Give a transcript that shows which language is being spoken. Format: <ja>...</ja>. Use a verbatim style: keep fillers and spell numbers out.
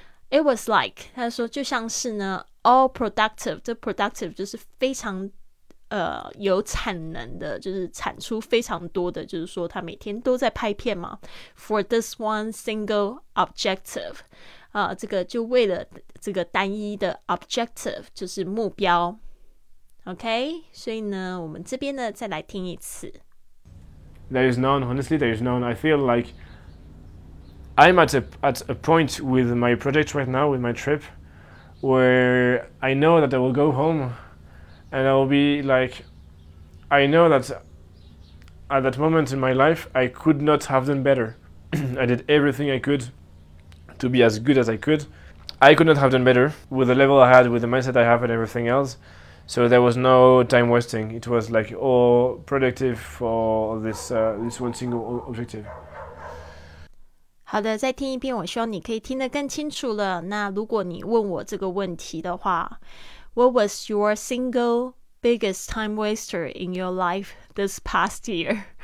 <en>It was like</en> <zh>他说就像是呢</zh> <en>all productive，</en> <zh>这 productive 就是非常呃有产能的，就是产出非常多的，就是说他每天都在拍片嘛</zh> <en>for this one single objective，</en> <zh>啊、呃，这个就为了这个单一的 objective 就是目标。 OK， 所以呢我们这边呢再来听一次。</zh> <en>There is none, honestly there is none. I feel like I'm at a, at a point with my project right now, with my trip where I know that I will go home and I will be like, I know that at that moment in my life, I could not have done better. I did everything I could to be as good as I could. I could not have done better with the level I had, with the mindset I have and everything else. So there was no time wasting. It was like all productive for this, uh, this one single objective.</en> <zh>好的，再听一遍，我希望你可以听得更清楚了。那如果你问我这个问题的话</zh> <en>What was your single biggest time waster in your life this past year?</en>